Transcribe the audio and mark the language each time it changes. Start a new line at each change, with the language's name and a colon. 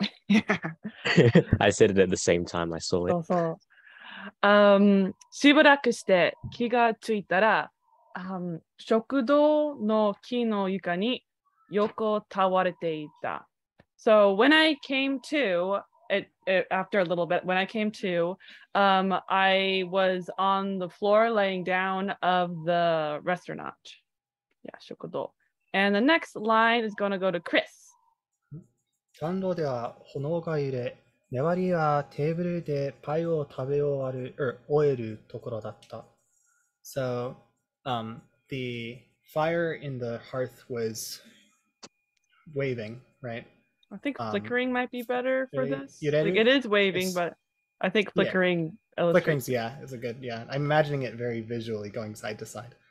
English: I said it at the same time I saw it.
Japanese: そうそう。しばらくして気がついたら、食堂の木の床に横倒れていた。
English: So when I came to, after a little bit, when I came to, I was on the floor laying down of the restaurant. Yeah, 食堂. And the next line is going to go to Chris.
Japanese: 暖炉では炎が揺れ、ネワリはテーブルでパイを食べ終わる、終えるところだった。
English: So, the fire in the hearth was waving, right? I think flickering might be better for this. Like, it is waving, but I think flickering illustrates. Flickering's, yeah, is a good, yeah. I'm imagining it very visually going side to side.